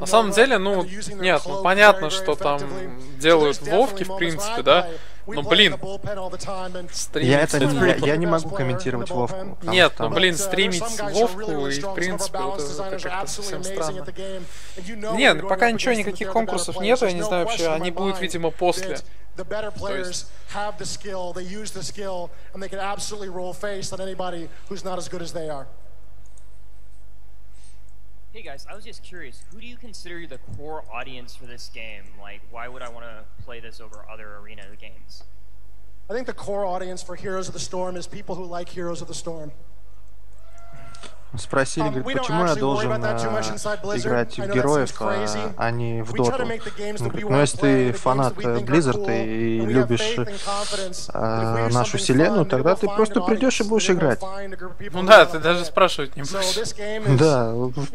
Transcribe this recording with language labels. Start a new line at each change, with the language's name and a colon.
Russian: На самом деле, ну, нет, ну, понятно, что там делают Вовки, в принципе, да? Ну, блин, я не могу комментировать Вовку. Нет, ну, блин, стримить Вовку и, в принципе, вот это как-то совсем странно. Нет, пока ничего, никаких конкурсов нету, я не знаю вообще, они будут, видимо, после.
English: The better players have the skill, they use the skill, and they can absolutely roll face on anybody who's not as good as they are. Hey guys, I was just curious, who do you consider the core audience for this game? Like, why would I want to play this over other arena games? I think the core audience for Heroes of the Storm is people who like Heroes of the Storm.
Russian: Спросили, говорит, почему я должен играть в героев, а не в Доту? Говорит, ну если ты фанат Близзарда и любишь нашу вселенную, тогда ты просто придешь и будешь играть. Ну да, ты даже спрашивать не будешь.